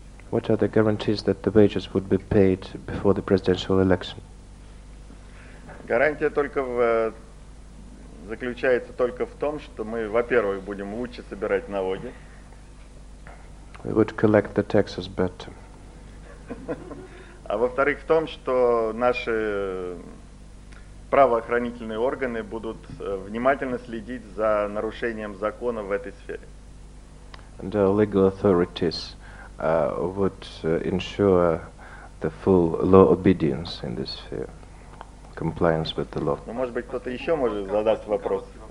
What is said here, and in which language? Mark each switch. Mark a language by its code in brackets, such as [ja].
[en] What are the guarantees that the wages would be paid before the presidential election? [ru] Гарантия только заключается только в том, что мы, во-первых, будем лучше собирать налоги. [en] We would collect the taxes better. [ru] А во-вторых, в том, что наши правоохранительные органы будут внимательно следить за нарушением закона в этой сфере. [en] and our legal authorities would ensure the full law obedience in this sphere, compliance with the law. [ru] Ну, может быть, кто-то еще может задать вопрос.